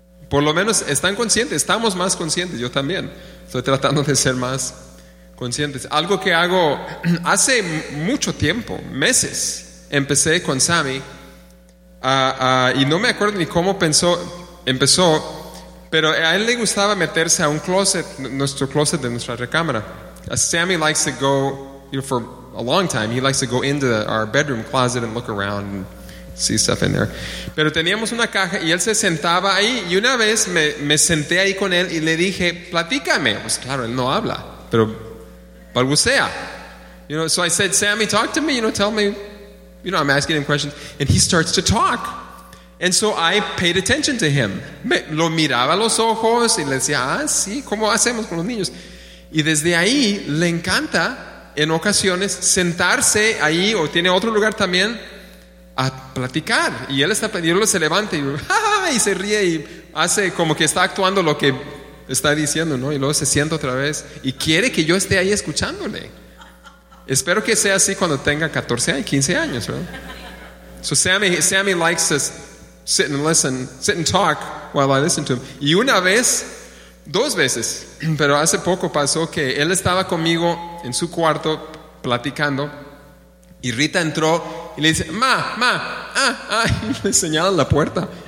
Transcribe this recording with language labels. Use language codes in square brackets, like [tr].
[es] Por lo menos están conscientes, estamos más conscientes, yo también. Estoy tratando de ser más conscientes. Algo que hago hace mucho tiempo, meses, empecé con Sammy. Y no me acuerdo ni cómo empezó, pero a él le gustaba meterse a un closet, nuestro closet de nuestra recámara. [en] Sammy likes to go, you know, for a long time, he likes to go into our bedroom closet and look around and see stuff in there. [es] Pero teníamos una caja y él se sentaba ahí, y una vez me senté ahí con él y le dije, platícame. Pues claro, él no habla, pero balbucea, [en] you know. So I said, Sammy, talk to me, you know, tell me, you know, I'm asking him questions, and he starts to talk. And so I paid attention to him, [es] lo miraba a los ojos y le decía, ah, sí, ¿cómo hacemos con los niños? Y desde ahí le encanta en ocasiones sentarse ahí, o tiene otro lugar también a platicar, y él está pidiendo, se levanta y, ¡ja, ja!, y se ríe y hace como que está actuando lo que está diciendo, ¿no? Y luego se sienta otra vez y quiere que yo esté ahí escuchándole. Espero que sea así cuando tenga 14 años, 15 años, ¿no? [en] So Sammy likes to sit and listen, sit and talk while I listen to him. [es] Y una vez, dos veces, pero hace poco pasó que él estaba conmigo en su cuarto platicando. Y Rita entró y le dice, ma, y le señala la puerta.